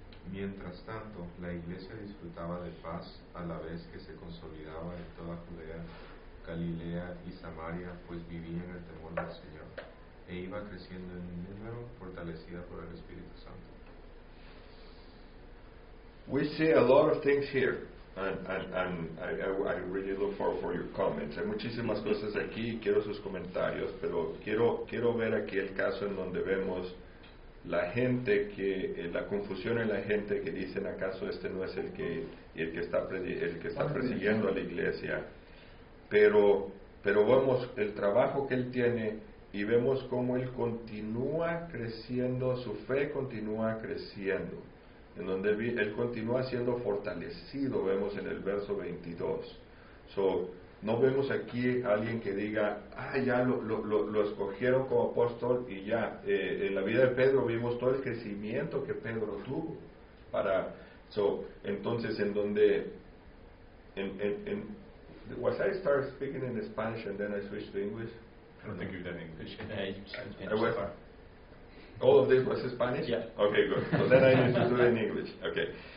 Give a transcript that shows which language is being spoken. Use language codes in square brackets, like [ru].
[es] Mientras tanto, la iglesia disfrutaba de paz a la vez que se consolidaba en toda Judea, Galilea y Samaria, pues vivían el temor del Señor e iba creciendo en número, fortalecida por el Espíritu Santo. [en] We see a lot of things here, and I really look forward for your comments. [es] Hay muchísimas cosas aquí, quiero sus comentarios, pero quiero ver aquí el caso en donde vemos la gente que la confusión en la gente que dicen acaso este no es el que está persiguiendo a la iglesia, pero vemos el trabajo que él tiene y vemos cómo él continúa creciendo, su fe continúa creciendo, en donde él continúa siendo fortalecido, vemos en el verso 22. So, no vemos aquí alguien que diga, ah, ya lo escogieron como apóstol y ya. En la vida de Pedro vimos todo el crecimiento que Pedro tuvo. [en] Entonces, was I start speaking in Spanish and then I switched to English? I don't think you've done English. All of this was Spanish? Yeah. Okay, good. So then I need to do it in English. Okay.